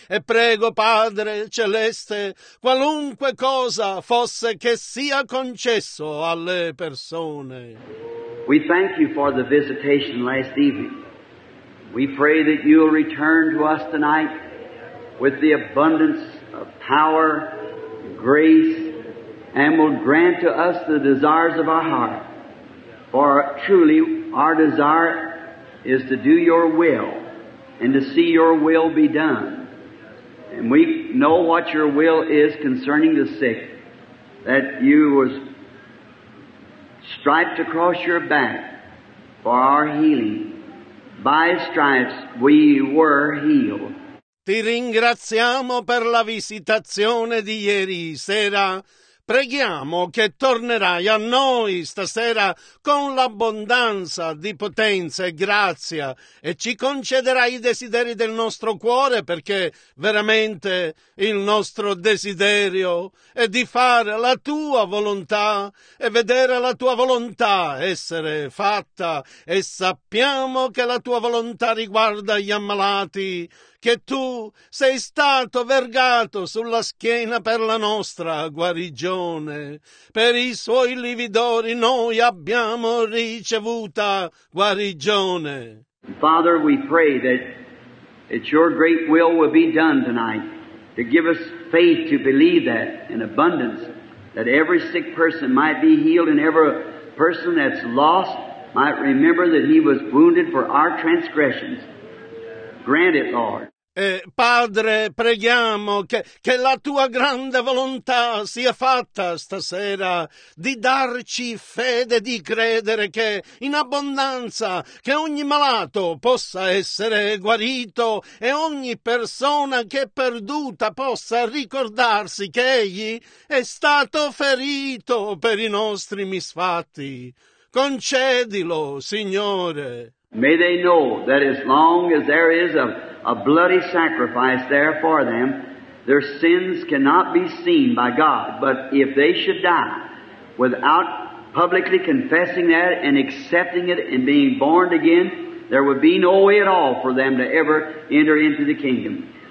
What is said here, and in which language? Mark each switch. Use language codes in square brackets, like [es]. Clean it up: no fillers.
[it] E prego, Padre Celeste, qualunque cosa fosse che sia concesso alle persone. [en] We thank You for the visitation last evening. We pray that You will return to us tonight with the abundance of power, grace, and will grant to us the desires of our heart. For truly, our desire is to do Your will and to see Your will be done. And we know what Your will is concerning the sick, that You was striped across Your back for our healing. By stripes we were healed. [it] Ti ringraziamo per la visitazione di ieri sera. Preghiamo che tornerai a noi stasera con l'abbondanza di potenza e grazia e ci concederai i desideri del nostro cuore, perché veramente il nostro desiderio è di fare la Tua volontà e vedere la Tua volontà essere fatta. E sappiamo che la Tua volontà riguarda gli ammalati, che Tu sei stato vergato sulla schiena per la nostra guarigione. Per i Suoi lividori noi abbiamo ricevuta guarigione. [en] Father, we pray that Your great will be done tonight, to give us faith to believe that in abundance, that every sick person might be healed and every person that's lost might remember that He was wounded for our transgressions. Grant it, Lord. [it] Padre, preghiamo che la tua grande volontà sia fatta stasera di darci fede, di credere che in abbondanza che ogni malato possa essere guarito e ogni persona che è perduta possa ricordarsi che egli è stato ferito per i nostri misfatti. Concedilo, Signore. [en] May they know that as long as there is a bloody sacrifice there for them, their sins cannot be seen by God. But if they should die without publicly confessing that and accepting it and being born again, there would be no way at all for them to ever enter into the kingdom.